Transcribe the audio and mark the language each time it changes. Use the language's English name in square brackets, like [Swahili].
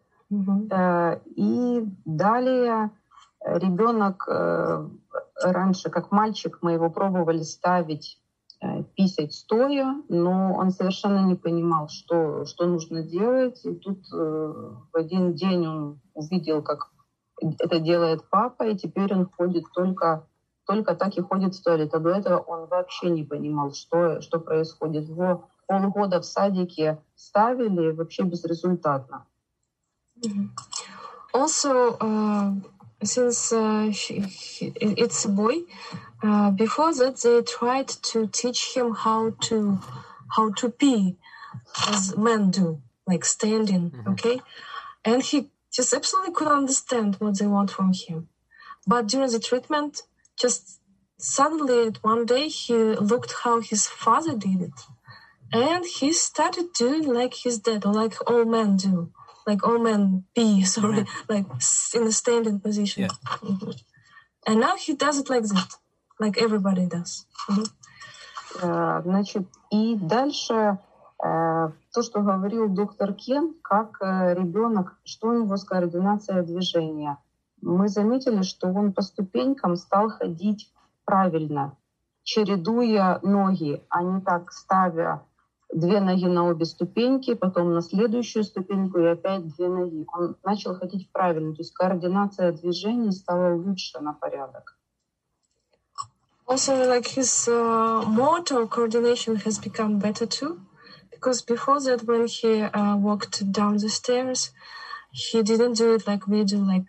[Russian] И далее ребенок раньше, как мальчик, мы его пробовали ставить писать стоя, но он совершенно не понимал, что нужно делать. И тут в один день он увидел, как это делает папа, и теперь он ходит только так и ходит в туалет. А до этого он вообще не понимал, что происходит. Его полгода в садике ставили вообще безрезультатно. Mm-hmm. [English] Also, since it's a boy, before that they tried to teach him how to pee, as men do, like standing, mm-hmm. okay? And he just absolutely couldn't understand what they want from him. But during the treatment, just suddenly one day he looked how his father did it, and he started doing like his dad, or like all men do. Like all men pee, sorry, like in a standing position. Yeah. And now he does it like that, like everybody does. [Russian] Значит, и дальше то, что говорил доктор Кен, как ребенок, что у него с координацией движения. Мы заметили, что он по ступенькам стал ходить правильно, чередуя ноги, а не так ставя две ноги на обе ступеньки, потом на следующую ступеньку и опять две ноги. Он начал ходить правильно, то есть координация движений стала лучше на порядок. [English] Also, like his motor coordination has become better too, because before that, when he walked down the stairs, he didn't do it like we do,